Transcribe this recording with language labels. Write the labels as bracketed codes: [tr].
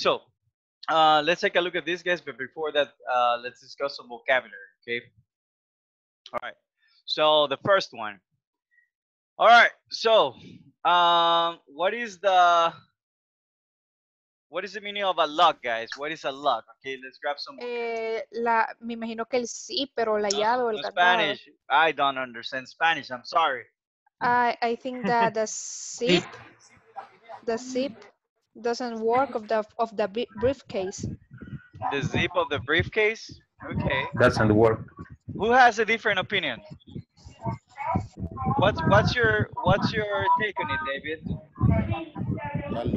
[en] So, let's take a look at this, guys. But before that, let's discuss some vocabulary. Okay. All right. So the first one. All right. So, what is the meaning of a lock, guys? What is a lock? Okay, let's grab some. [es] Me imagino que el sí, pero la llave o el candado. [en] Spanish. I don't understand Spanish. I'm sorry. I think that the zip, the zip, doesn't work of the briefcase. The zip of the briefcase. Okay. Doesn't work. Who has a different opinion? What's your take on it, David?